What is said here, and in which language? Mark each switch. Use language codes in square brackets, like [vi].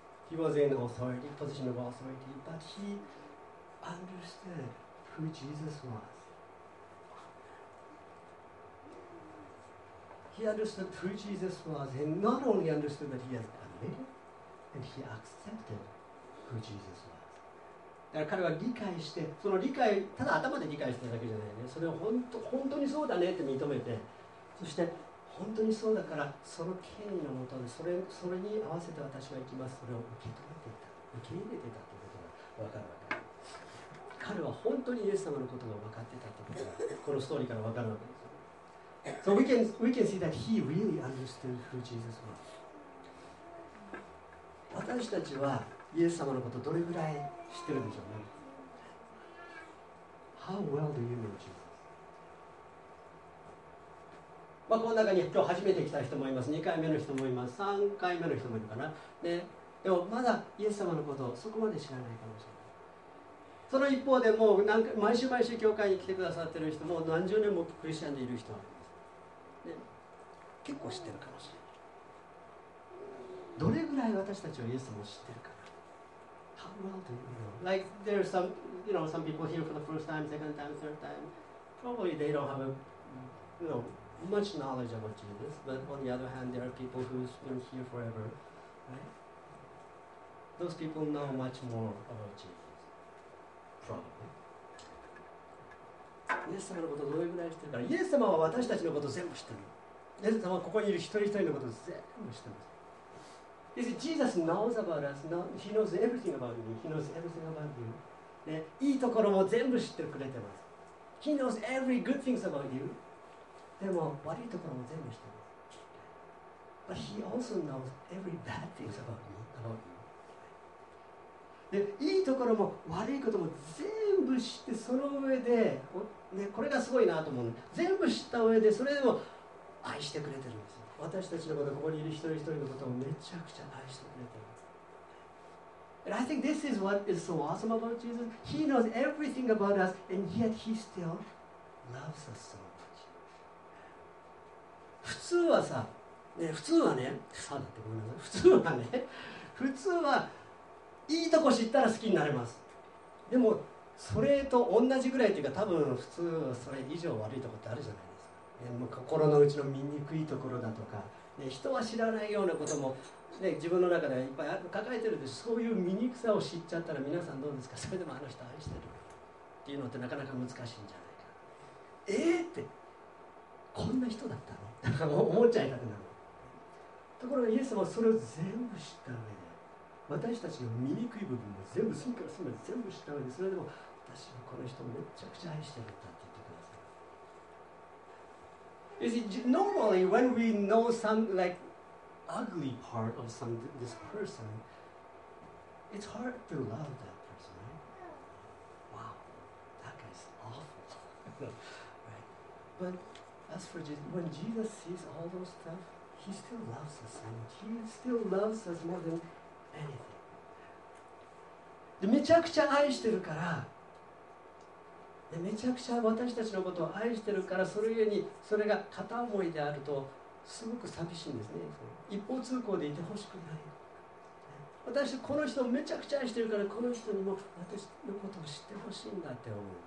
[en] He was in authority, position of authority, but he understood who Jesus was. He understood who Jesus was, and not only understood that he has admitted, and he accepted who Jesus was. [ja] だから彼は理解して、その理解、ただ頭で理解してるだけじゃないね。それを本当にそうだねって認めて、そして、本当にそうだから、その権威のもとで、それに合わせて私は行きます。それを受け止めていた。受け入れていたということが分かるわけです。彼は本当にイエス様のことが分かっていたということが、このストーリーから分かるわけです。 [en] So we can see that he really understood who Jesus was. [ja] 私たちはイエス様のことどれぐらい知ってるんでしょうね。 [en] How well do you know Jesus? [ja] まあ、この中に今日初めて来た人もいます。2回目の人もいます。3回目の人もいるかな。でもまだイエス様のことをそこまで知らないかもしれない。その一方でもう何回毎週毎週教会に来てくださっている人も何十年もクリスチャンでいる人もいます。で結構知ってるかもしれない。どれぐらい私たちはイエス様を知ってるかな。 [en] How well do you know? Like there are some, you know, some people here for the first time, second time, third time. Probably they don't have a, you know,much knowledge about Jesus, but on the other hand, there are people who's been here forever, right? Those people know much more about Jesus, probably. [ja] イエス様のことどれぐらい知ってるか。イエス様は私たちのこと全部知ってる。イエス様はここにいる一人一人のこと全部知ってます。 [en] You see, Jesus knows about us. He knows everything about me. He knows everything about you. [ja] ね、いいところも全部知ってくれてます。 [en] He knows every good things about you. [ja] でも悪いところも全部知ってます。 [en] But he also knows every bad things about me, about you. [ja] で、いいところも悪いことも全部知って、その上で、ね、これがすごいなと思う。全部知った上で、それでも愛してくれてるんですよ。私たちのこと、ここにいる一人一人のことをめちゃくちゃ愛してくれてる。 [en] And I think this is what is so awesome about Jesus. He knows everything about us, and yet he still loves us so. [ja] 普通はさ、ね、普通はね、さだってごめんなさい、普通はね、普通はいいとこ知ったら好きになれます。でも、それと同じぐらいっていうか、多分普通はそれ以上悪いとこってあるじゃないですか。ね、もう心の内の醜いところだとか、ね、人は知らないようなことも、ね、自分の中でいっぱい抱えてるんで、そういう醜さを知っちゃったら皆さんどうですか、それでもあの人愛してるっていうのってなかなか難しいんじゃないか。って、こんな人だったの思っちゃいたくなる。ところがイエス様はそれを全部知った上で、私たちの醜い部分も全部隅から隅まで全部知った上で、それでも私はこの人をめちゃくちゃ愛してるんだって言ってください。 [en] You see, normally when we know some like ugly part of some this person, it's hard to love that person, right? Wow, that guy's awful, right? But As for Jesus, when Jesus sees all those stuff, he still loves us, and he still loves us more than anything. [ja] で、めちゃくちゃ愛してるから、で、めちゃくちゃ私たちのことを愛してるから、それゆえにそれが片思いであると、すごく寂しいんですね。一方通行でいてほしくない。私、この人をめちゃくちゃ愛してるから、この人にも私のことを知ってほしいんだって思う。